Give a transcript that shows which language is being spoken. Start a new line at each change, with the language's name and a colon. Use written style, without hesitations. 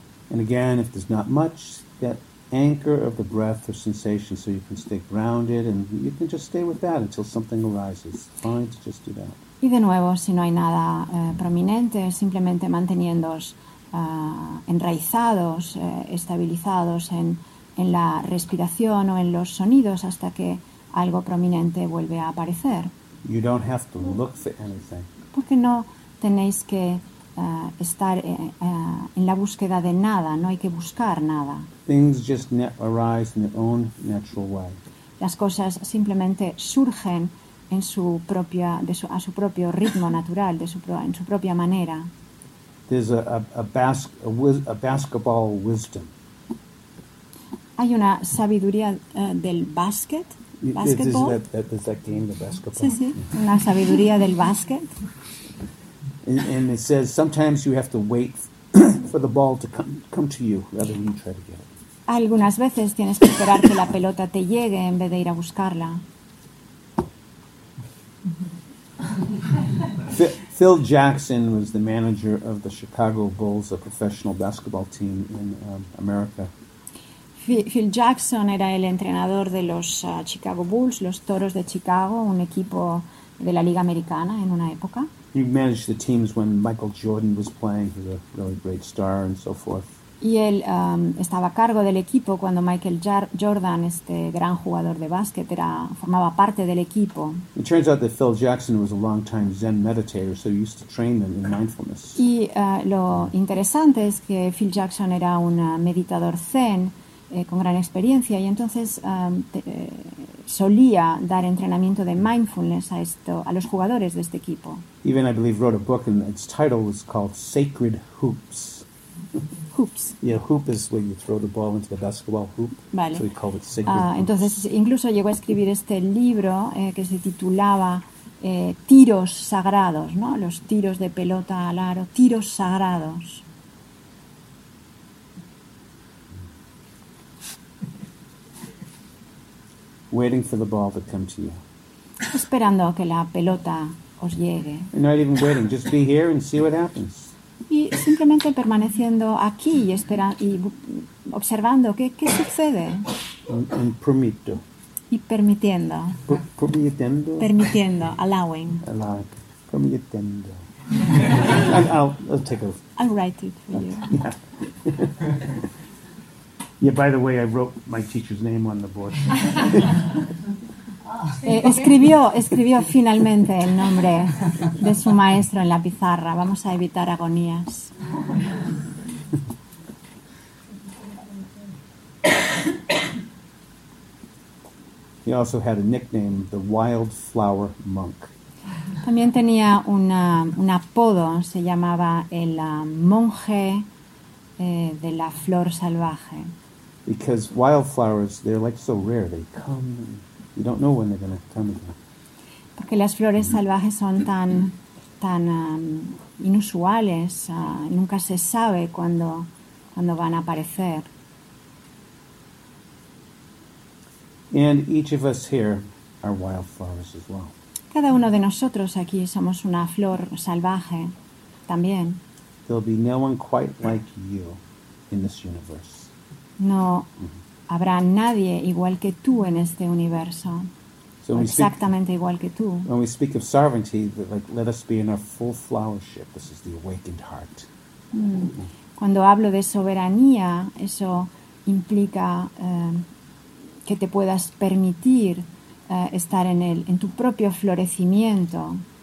English: And again, if there's not much, that anchor of the breath or sensation, so you can stay grounded and you can just stay with that until something arises. Fine to just do that.
Spanish: Y de nuevo, si no hay nada prominente, simplemente manteniéndoos enraizados, estabilizados en la respiración o en los sonidos hasta que algo prominente vuelve a aparecer.
English: You don't have to look for anything.
Spanish: Porque no tenéis que estar en la búsqueda de nada, no hay que buscar nada.
English: Things just arise in their own natural way.
Spanish: Las cosas simplemente surgen en su propia, a su propio ritmo natural, en su propia manera.
English: There's a basketball wisdom.
Spanish: Hay una sabiduría del básquet.
English: There's that game, the basketball.
Spanish: Sí, sí. Una sabiduría del básquet.
English: And it says sometimes you have to wait for the ball to come to you rather than you try to get it.
Spanish: Algunas veces tienes que esperar que la pelota te llegue en vez de ir a buscarla.
English: Phil Jackson was the manager of the Chicago Bulls, a professional basketball team in America.
Spanish: Phil Jackson era el entrenador de los Chicago Bulls, los Toros de Chicago, un equipo de la Liga Americana en una época.
English: He managed the teams when Michael Jordan was playing, he was a really great star and so forth.
Spanish: Y él estaba a cargo del equipo cuando Michael Jordan, este gran jugador de básquet, formaba parte del equipo.
English: It turns out that Phil Jackson was a long time Zen meditator, so he used to train them in mindfulness.
Spanish: Y lo interesante es que Phil Jackson era un meditador Zen con gran experiencia, y entonces solía dar entrenamiento de mindfulness a los jugadores de este equipo.
English: Even I believe wrote a book and its title was called Sacred Hoops. Hoops. Yeah, hoop is where you throw the ball into the basketball hoop.
Spanish: Vale.
English: So we call it sacred.
Spanish: Entonces incluso llegó a escribir este libro que se titulaba Tiros Sagrados, ¿no? Los tiros de pelota al aro, tiros sagrados.
English: Waiting for the ball to come to you.
Spanish: Esperando que la pelota os llegue.
English: Not even waiting, just be here and see what happens.
Spanish: Y simplemente permaneciendo aquí y esperando y observando qué sucede.
English: And permito.
Spanish: Y permitiendo. Permitiendo. Permitiendo. Allowing.
English: Allowing. Permitiendo. I'll take it. I'll write it for you. Yeah, by the way, I wrote my teacher's name on the board.
Spanish: escribió finalmente el nombre de su maestro en la pizarra. Vamos a evitar agonías.
English: He also had a nickname, the Wildflower Monk.
Spanish: También tenía un apodo, se llamaba el monje de la flor salvaje.
English: Because wildflowers, they're like so rare. They come, you don't know when they're going to come again.
Spanish: Porque las flores salvajes son tan inusuales. Nunca se sabe cuándo van a aparecer.
English: And each of us here are wildflowers as well.
Spanish: Cada uno de nosotros aquí somos una flor salvaje también.
English: There'll be no one quite like you in this universe.
Spanish: No habrá nadie igual que tú en este universo.
English: So
Spanish: exactamente speak, igual que tú.
English: When we speak of sovereignty, let us be in our full flowership. This is the awakened heart.
Spanish: Cuando hablo de soberanía, eso implica que te puedas permitir estar en tu propio florecimiento.